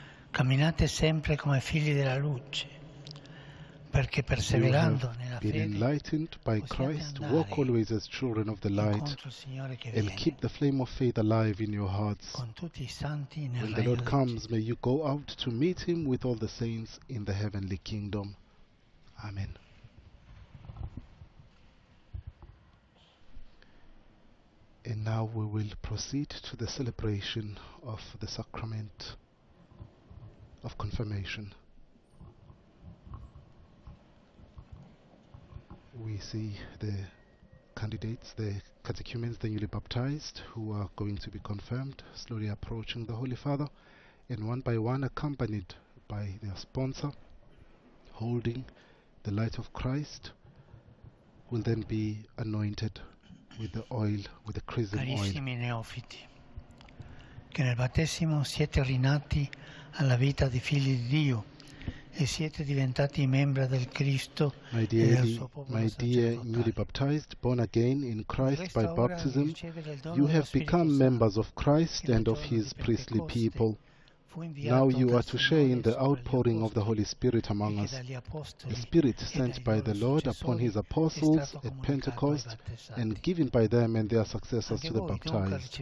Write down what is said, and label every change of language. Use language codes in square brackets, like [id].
[it] Camminate sempre come figli della luce, perché perseverando nella fede, [en] enlightened by Christ, walk always as children of the light, and keep the flame of faith alive in your hearts. [it] Con tutti I santi nel regno. [en] When the Lord comes, may you go out to meet him with all the saints in the heavenly kingdom. Amen. And now we will proceed to the celebration of the sacrament of confirmation. We see the candidates, the catechumens, the newly baptized, who are going to be confirmed, slowly approaching the Holy Father, and one by one, accompanied by their sponsor, holding the light of Christ, will then be anointed with the oil, with the chrism oil. [it] Carissimi neofiti, che nel battesimo siete rinati alla vita di figli di Dio e siete diventati membra del Cristo e del suo popolo sacerdotale. [en] My dear newly baptized, born again in Christ by baptism, you have become members of Christ and of his priestly people. Now you are to share in the outpouring of the Holy Spirit among us, the Spirit sent by the Lord upon his apostles at Pentecost and given by them and their successors to the baptized.